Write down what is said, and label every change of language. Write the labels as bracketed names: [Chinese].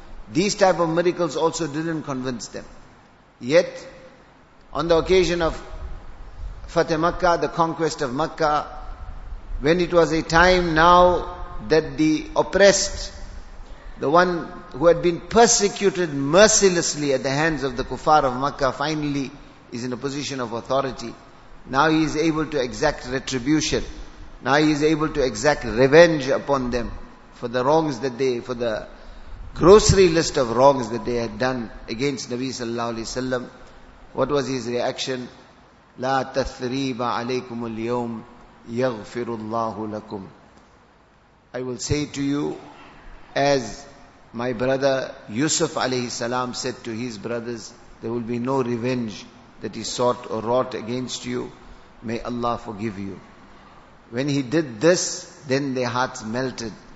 [English] These type of miracles also didn't convince them. Yet, on the occasion of Fateh Makkah, the conquest of Makkah, when it was a time now that the oppressed, the one who had been persecuted mercilessly at the hands of the Kuffar of Makkah, finally is in a position of authority. Now he is able to exact retribution. Now he is able to exact revenge upon them for the wrongs that they, for the grocery list of wrongs that they had done against Nabi sallallahu alaihi wasallam. What was his reaction? [Arabic] لا تثريب عليكم اليوم يغفر الله لكم. [English] I will say to you, as my brother Yusuf alayhi salam said to his brothers, there will be no revenge that he sought or wrought against you. May Allah forgive you. When he did this, then their hearts melted.